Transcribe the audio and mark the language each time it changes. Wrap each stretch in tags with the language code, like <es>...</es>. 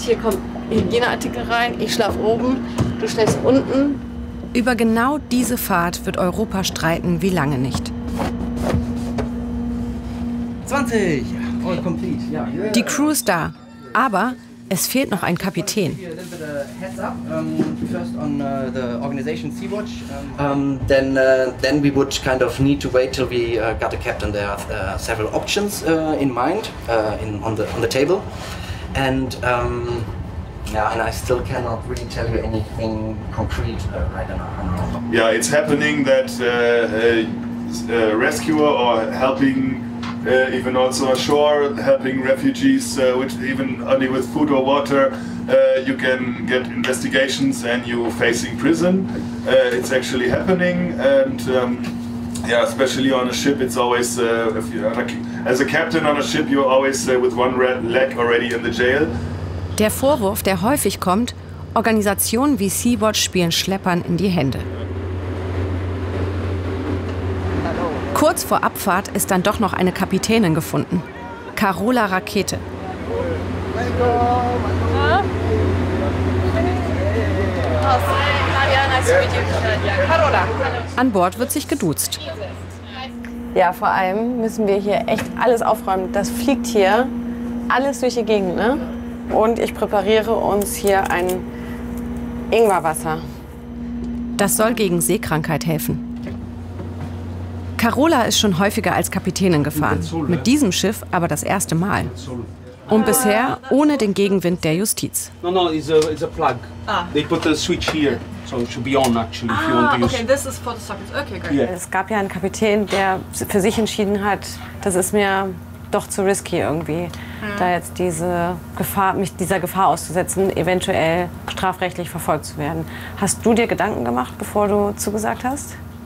<de>Hier kommen Hygieneartikel rein. Ich schlafe oben, du schläfst unten. Über genau diese Fahrt wird Europa streiten, wie lange nicht.</de> <en>20! All complete. Ja.</en> <de>Die Crew ist da, aber es fehlt noch ein Kapitän.</de> <en>First on the organization Sea-Watch. Then we would kind of need to wait till we got a captain. There are several options in mind, on the table. And and I still cannot really tell you anything concrete right now. Yeah, it's happening that a rescuer or helping. Even also ashore, helping refugees, which even only with food or water, you can get investigations and you facing prison. It's actually happening, and especially on a ship, it's always if you as a captain on a ship, you're always with one leg already in the jail.</en> <de>Der Vorwurf, der häufig kommt, Organisationen wie Sea-Watch spielen Schleppern in die Hände. Kurz vor Abfahrt ist dann doch noch eine Kapitänin gefunden. Carola Rakete. An Bord wird sich geduzt. Ja, vor allem müssen wir hier echt alles aufräumen. Das fliegt hier alles durch die Gegend, ne? Und ich präpariere uns hier ein Ingwerwasser. Das soll gegen Seekrankheit helfen. Carola ist schon häufiger als Kapitänin gefahren, mit diesem Schiff aber das erste Mal. Und bisher ohne den Gegenwind der Justiz.</de> <en>No, it's a plug. They put a switch here, so it should be on actually. If you want to use. Okay, this is for the socket. Okay, great. Yeah.</en> <de>Es gab ja einen Kapitän, der für sich entschieden hat, das ist mir doch zu risky irgendwie, da jetzt diese Gefahr, mich dieser Gefahr auszusetzen, eventuell strafrechtlich verfolgt zu werden. Hast du dir Gedanken gemacht, bevor du zugesagt hast?</de>